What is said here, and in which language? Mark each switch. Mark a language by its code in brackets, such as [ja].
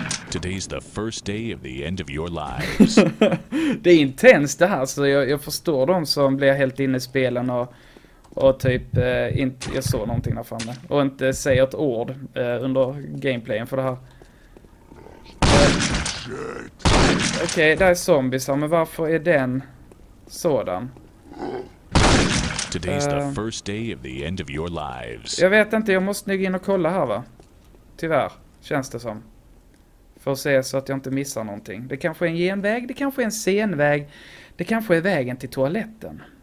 [en] Today's the first day of the end of your lives. [sv] Det är intensivt det här, så jag förstår dem som blir helt inne i spelen och... Och typ, inte jag såg någonting där framme. Och inte säga ett ord under gameplayen för det här. Okej, där är zombies här, men varför är den sådan? [en] Today's the first day of the end of your lives. [sv] Jag vet inte, jag måste nog in och kolla här va? Tyvärr, känns det som. För att se så att jag inte missar någonting. Det kanske är en genväg, det kanske är en scenväg. Det kanske är vägen till toaletten.